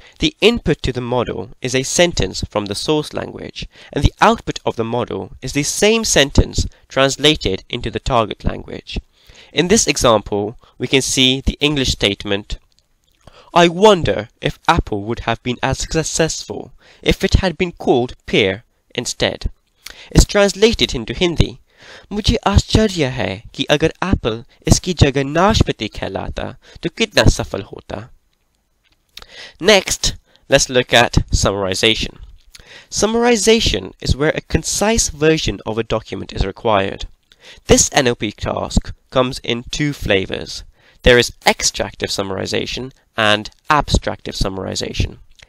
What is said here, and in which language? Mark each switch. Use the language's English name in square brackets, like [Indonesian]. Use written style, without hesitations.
[English] The input to the model is a sentence from the source language, and the output of the model is the same sentence translated into the target language. In this example, we can see the English statement, "I wonder if Apple would have been as successful if it had been called Pear instead." It's translated into Hindi. [Hindi] "मुझे आश्चर्य है कि अगर Apple इसकी जगह नाशपाती कहलाता तो कितना सफल होता." [English] Next, let's look at summarization. Summarization is where a concise version of a document is required. This NLP task comes in two flavors. There is extractive summarization and abstractive summarization.